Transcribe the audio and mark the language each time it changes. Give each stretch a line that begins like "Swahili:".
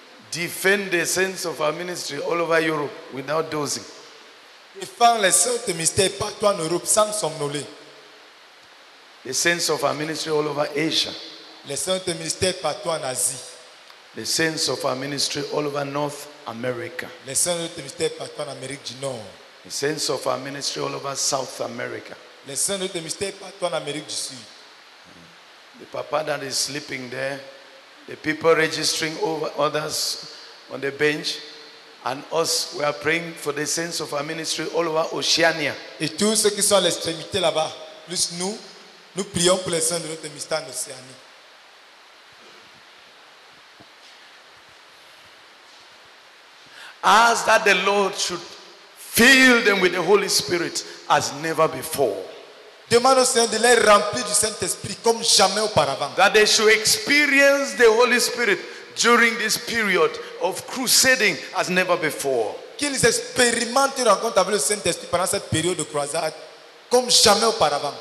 English: Defend the sense of our ministry all over Europe without dozing.
French: Défend le sens de ministère partout en Europe sans somnoler.
English: The sense of our ministry all over Asia.
French: Le sens de ministère partout en Asie.
English: The sense of our ministry all over North America.
French: Le sens de ministère partout en Amérique du Nord.
English: The sense of our ministry all over South America.
French: Le sens de ministère partout en Amérique du Sud.
English: The papa that is sleeping there, the people registering over others on the bench, and us, we are praying for the sense of our ministry all over Oceania.
French: Et tous ceux qui sont à l'extrémité là-bas, plus nous, nous prions pour le sens de notre ministère en Océanie.
English: Ask that the Lord should fill them with the Holy Spirit as never before.
French: Demande au Seigneur de les remplir du Saint-Esprit comme jamais auparavant.
English: That they should experience the Holy Spirit during this period of crusading as never before.
French: Qu'ils expérimentent une rencontre avec le Saint-Esprit pendant cette période de croisade comme jamais auparavant.